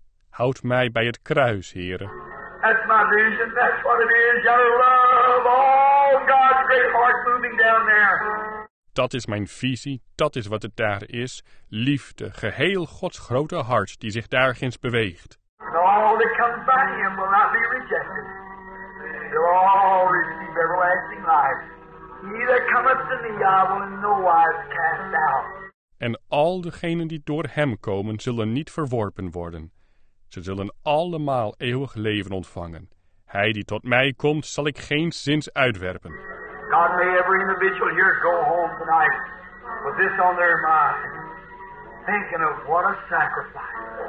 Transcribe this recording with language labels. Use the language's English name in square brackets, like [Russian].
[Dutch] Houd mij bij het kruis, Heere. [English] That's my vision, that's what it is, your love, all God's great heart moving down there. [Dutch] Dat is mijn visie, dat is wat het daar is, liefde, geheel Gods grote hart die zich daar ginds beweegt. [English] And all that comes by him will not be rejected, they'll all receive everlasting life. He that cometh to me, I will in no wise cast out. [Dutch] En al degenen die door hem komen zullen niet verworpen worden. Ze zullen allemaal eeuwig leven ontvangen. Hij die tot mij komt, zal ik geen zins uitwerpen. [English] God, may every individual here go home tonight with this on their mind, thinking of what a sacrifice.